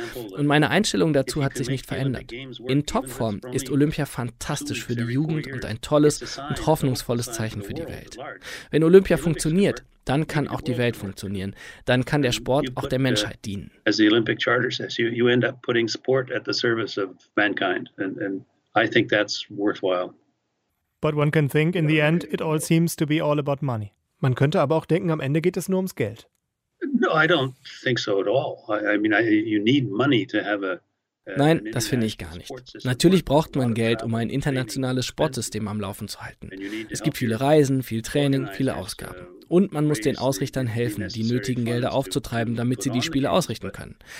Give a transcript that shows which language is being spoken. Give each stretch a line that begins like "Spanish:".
German: Und meine Einstellung dazu hat sich nicht verändert. In Topform ist Olympia fantastisch für die Jugend und ein tolles und hoffnungsvolles Zeichen für die Welt. Wenn Olympia funktioniert, dann kann auch die Welt funktionieren. Dann kann der Sport auch der Menschheit dienen.
English: As the Olympic Charter says, you end up putting sport at the service of mankind, and I think that's worthwhile. But one can think in the end, it all seems to be all about money.
German: Man könnte aber auch denken, am Ende geht es nur ums Geld.
English: No, I don't think so at all. You need money to have a.
German: Nein, das finde ich gar nicht. Natürlich braucht man Geld, um ein internationales Sportsystem am Laufen zu halten. Es gibt viele Reisen, viel Training, viele Ausgaben. Und man muss den Ausrichtern helfen, die nötigen Gelder aufzutreiben, damit sie die Spiele ausrichten können.